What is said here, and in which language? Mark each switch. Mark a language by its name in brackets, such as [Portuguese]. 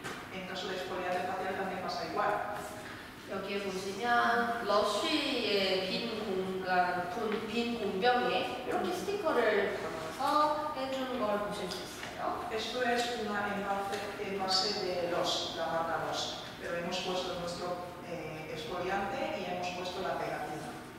[Spanish] En caso de exfoliante facial también pasa igual. [Korean] 여기에 보시면 러쉬의 빈 공간, 빈 공병에 이렇게 스티커를 담아서 해주는 걸 보실 수 있습니다. [Spanish] Esto es una envase de los, la marca los, pero hemos puesto nuestro exfoliante y hemos puesto la pegatina.